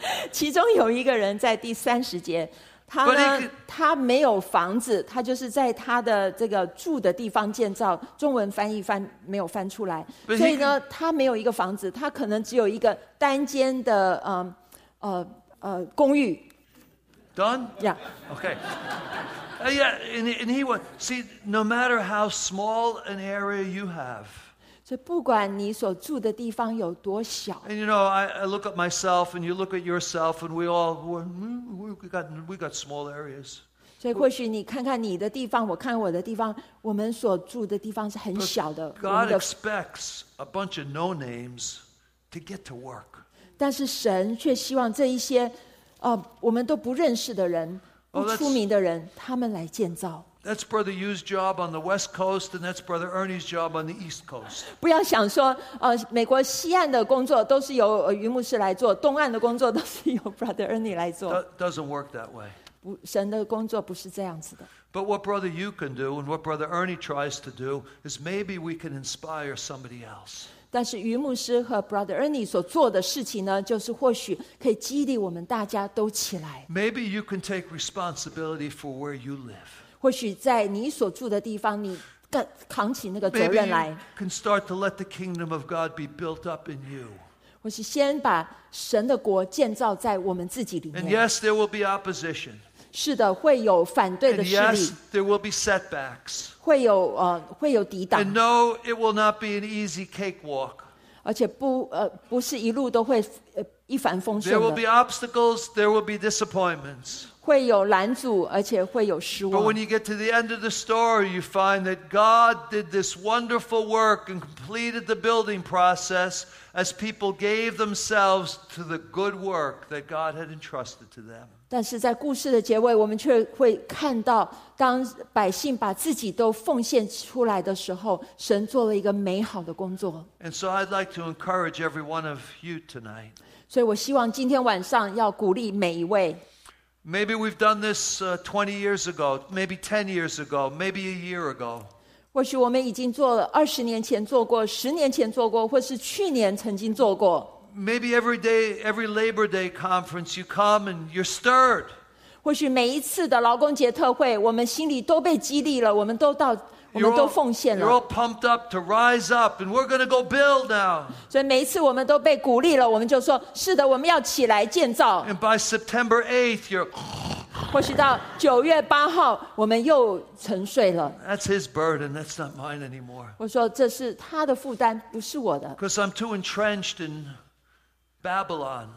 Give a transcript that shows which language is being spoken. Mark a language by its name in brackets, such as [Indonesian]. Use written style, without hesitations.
[Chinese] 其中有一个人在第三十节，他呢，他没有房子，他就是在他的这个住的地方建造。中文翻译翻没有翻出来，所以呢，他没有一个房子，他可能只有一个单间的公寓。 [English] Done? Yeah. Okay. And he was, see, no matter how small an area you have, [Chinese] 所以不管你所住的地方有多小 [English] and you know, I look at myself and you look at yourself and we got small areas. [Chinese] 所以或许你看看你的地方我看我的地方我们所住的地方是很小的 [English] God expects a bunch of no names to get to work. [Chinese] 但是神却希望这一些我们都不认识的人不出名的人他们来建造。 [English] That's Brother Yu's job on the West Coast, and that's Brother Ernie's job on the East Coast. [Chinese] 不要想说，美国西岸的工作都是由余牧师来做，东岸的工作都是由 Brother Ernie 来做。 [English] Doesn't work that way. [Chinese] 不，神的工作不是这样子的。 [English] But what Brother Yu can do, and what Brother Ernie tries to do, is maybe we can inspire somebody else. [Chinese] 但是余牧师和 Brother Ernie 所做的事情呢，就是或许可以激励我们大家都起来。 [English] Maybe you can take responsibility for where you live. [Chinese] 或许在你所住的地方，你扛起那个责任来。 [English] Maybe you can start to let the kingdom of God be built up in you. [Chinese] 或是先把神的国建造在我们自己里面。 [English] And yes, there will be opposition. [Chinese] 是的，会有反对的势力。 [English] And yes, there will be setbacks. [Chinese] 会有抵挡。 [English] And no, it will not be an easy cakewalk. [Chinese] 而且不是一路都会一帆风顺的。 [English] There will be obstacles. There will be disappointments. [Chinese] 会有拦阻，而且会有失望。 [English] But when you get to the end of the story, you find that God did this wonderful work and completed the building process as people gave themselves to the good work that God had entrusted to them. [Chinese] 但是在故事的结尾，我们却会看到，当百姓把自己都奉献出来的时候，神做了一个美好的工作。 [English] And so I'd like to encourage every one of you tonight. [Chinese] 所以我希望今天晚上要鼓励每一位。 [English] Maybe we've done this 20 years ago, maybe 10 years ago, maybe a year ago. [Chinese] 或许我们已经做了20年前做过，10年前做过，或是去年曾经做过。 [English] Maybe every day, every Labor Day conference, you come and you're stirred. [Chinese] 或许每一次的劳工节特会，我们心里都被激励了，我们都奉献了。 [English] You're all pumped up to rise up, and we're going to go build now. [Chinese] 所以每一次我们都被鼓励了，我们就说：“是的，我们要起来建造。” [English] And by September 8th, you're. [Chinese] 或许到九月八号，我们又沉睡了。 [English] That's his burden. That's not mine anymore. [Chinese] 我说这是他的负担，不是我的。 [English] Because I'm too entrenched in Babylon.